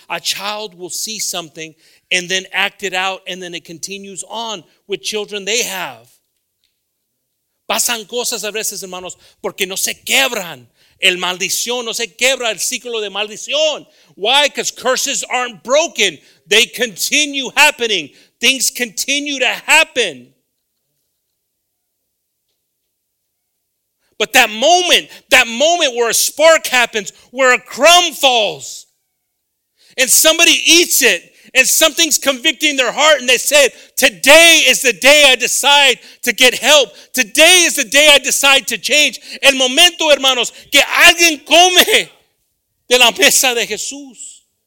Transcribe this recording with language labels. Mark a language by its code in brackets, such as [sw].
[en] A child will see something and then act it out, and then it continues on with children they have. [es] Pasan cosas a veces, hermanos, porque no se quebran. El maldición no se quebra, el ciclo de maldición. [en] Why? Because curses aren't broken. They continue happening. Things continue to happen. But that moment where a spark happens, where a crumb falls, and somebody eats it, and something's convicting their heart, and they said, today is the day I decide to get help. Today is the day I decide to change. [es] El momento, hermanos, que alguien come de la mesa de Jesús.